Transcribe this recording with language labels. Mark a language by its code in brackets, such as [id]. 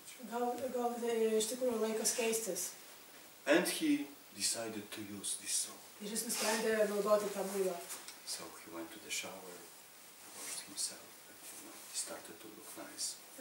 [lt] Gal iš tikrųjų laikas keistis. [en] And he decided to use this soap. [lt] Ir jis nusprendė naudoti tą muilą. [en] So he went to the shower, washed himself, and you know, he started to look nice.